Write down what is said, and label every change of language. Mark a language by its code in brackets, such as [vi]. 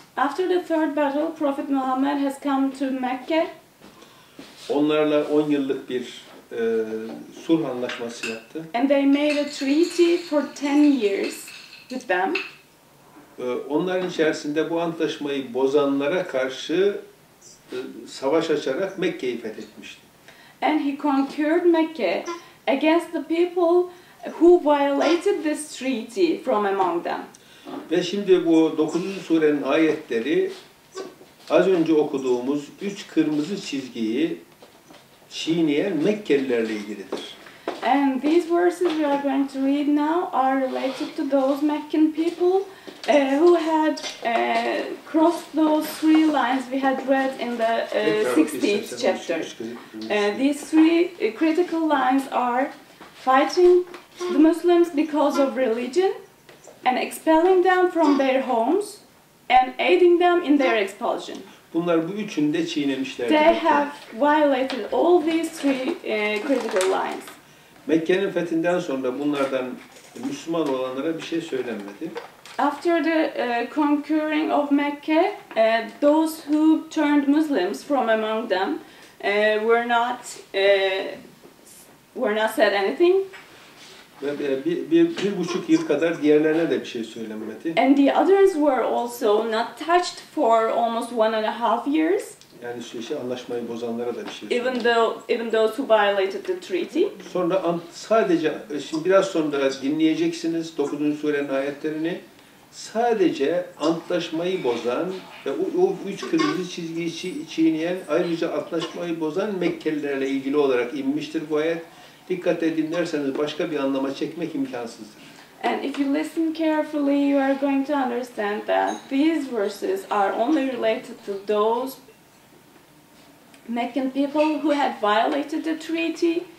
[en] After the third battle, Prophet Muhammad has come to Mecca. [tr] Onlarla 10 yıllık bir sulh anlaşması yaptı. [en] And they made a treaty for 10 years with them. [tr] Onların içerisinde bu anlaşmayı bozanlara karşı savaş açarak Mekke'yi fethetmişti. [en] And he conquered Mecca against the people who violated this treaty from among them. [tr] Ve şimdi bu 9. surenin ayetleri az önce okuduğumuz 3 kırmızı çizgiyi çiğneyen Mekkelilerle ilgilidir. [en] And these verses we are going to read now are related to those Meccan people who had crossed those three lines we had read in the 16th chapter. These three critical lines are fighting the Muslims because of religion, and expelling them from their homes, and aiding them in their expulsion. [tr] Bunlar bu üçünü de çiğnemişlerdi. [en] They have violated all these three critical lines. [tr] Mekke'nin fethinden sonra bunlardan Müslüman olanlara bir şey söylenmedi. [en] After the conquering of Mecca, those who turned Muslims from among them were not said anything. [tr] Ve bir buçuk yıl kadar diğerlerine de bir şey söylenmedi. [en] And the others were also not touched for almost 1.5 years. [tr] Yani şu işi anlaşmayı bozanlara da bir şey. [en] Even those who violated the treaty. [tr] Sonra sadece şimdi biraz sonra dinleyeceksiniz 9. surenin ayetlerini. Sadece antlaşmayı bozan ve o üç kırmızı çizgiyi çiğneyen ayrıca antlaşmayı bozan Mekkelilerle ilgili olarak inmiştir bu ayet. Dikkatle dinlerseniz başka bir anlama çekmek imkansızdır. [en] And if you listen carefully, you are going to understand that these verses are only related to those Meccan people who had violated the treaty.